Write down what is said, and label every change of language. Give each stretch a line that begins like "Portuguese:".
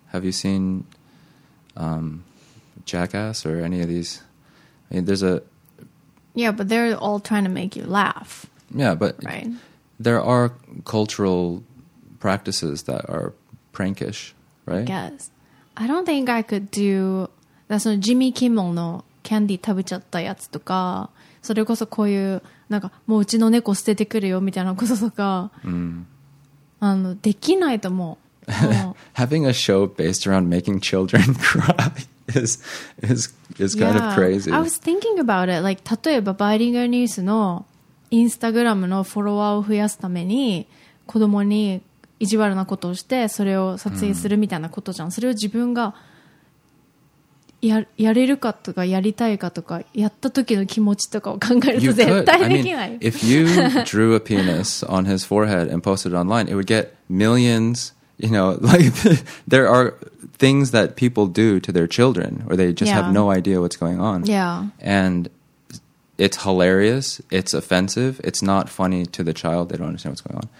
English: Have you seen Jackass or any of these? I mean, there's a... Yeah, but they're all trying to make you laugh. Yeah, but right? There are cultural practices that are prankish, right? I guess. I don't think I could do...
Japanese: だそのジミー・キンモンのキャンディー食べちゃったやつとか、それこそこういうなんかもううちの猫捨ててくるよみたいなこととか、うん、あのできないと思う。
English: Having a show based around making children cry is kind of crazy. I was thinking about it.
Japanese: Like, 例えばバイリンガルニュースのインスタグラムのフォロワーを増やすために子供に意地悪なことをしてそれを撮影するみたいなことじゃん、うん、それを自分が やれるかとかやりたいかとかやった時の気持ちとかを考えると絶対できない。
English: I mean, if you drew a penis on his forehead and posted it online, it would get millions, you know, like there are things that people do to their children or they just have no idea what's going on. Yeah. And it's hilarious, it's offensive, it's not funny to the child, they don't understand what's going on.